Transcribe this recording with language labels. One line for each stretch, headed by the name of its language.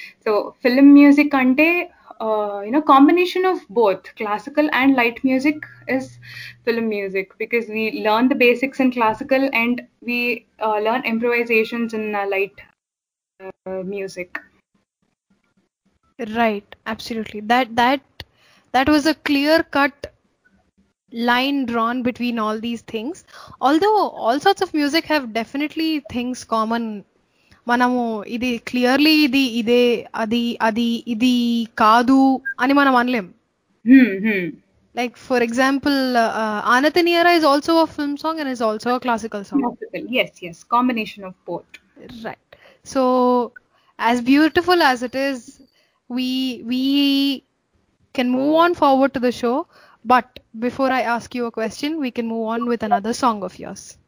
English: So film music ante you know, combination of both classical and light music is film music, because we learn the basics in classical and we learn improvisations in light music. Right, absolutely. That was a clear cut line drawn between all these things. Although all sorts of music have definitely things common.
Telugu: మనము ఇది clearly ఇది ఇదే అది అది ఇది కాదు అని మనం అనలేం.
English: Like for example ఆనతనియరా is also a film song and is also a classical song. Yes, yes, combination of both. Right. So, as beautiful as it is, we can move on forward to the show. But before I ask you a question, we can move on with another song of yours.